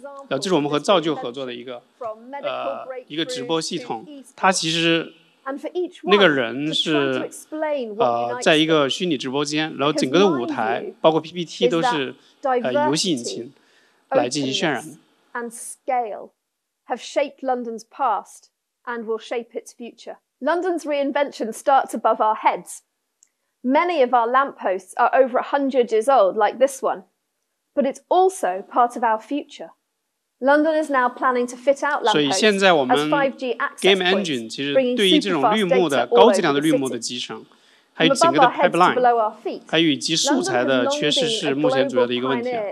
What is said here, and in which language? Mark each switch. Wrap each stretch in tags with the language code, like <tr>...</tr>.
<zh>这是我们和造就合作的一个直播系统，它其实那个人是在一个虚拟直播间，然后整个的舞台包括 PPT 都是游戏引擎来进行渲染的。</zh> <en>And scale have shaped London's past and will shape its future. London's reinvention starts above our heads. Many of our lampposts are over 100 years old, like this one, but it's also part of our future. London is now planning to fit out lamp posts as 5G access points, bringing super fast data all over the city.</en> <zh>还有整个的pipeline, 还有以及素材的缺失是目前主要的一个问题。</zh>